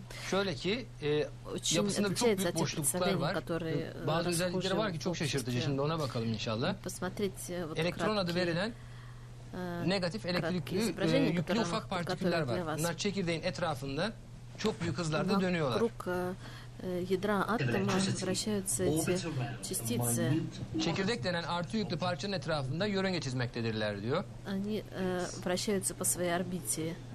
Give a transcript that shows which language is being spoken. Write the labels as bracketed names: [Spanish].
[Turkish] Şöyle ki yapısında çok büyük boşluklar var. Bazı özellikleri var ki çok şaşırtıcı. Şimdi ona bakalım inşallah. Elektron adı verilen negatif elektrikli yüklü ufak partiküller var. Bunlar çekirdeğin etrafında çok büyük hızlarda dönüyorlar. [Russian] Ядра атома вращаются эти частицы. [Turkish] Çekirdek denen artı yüklü parçanın etrafında yörünge çizmektedirler diyor. [Russian] Они вращаются по своей орбите.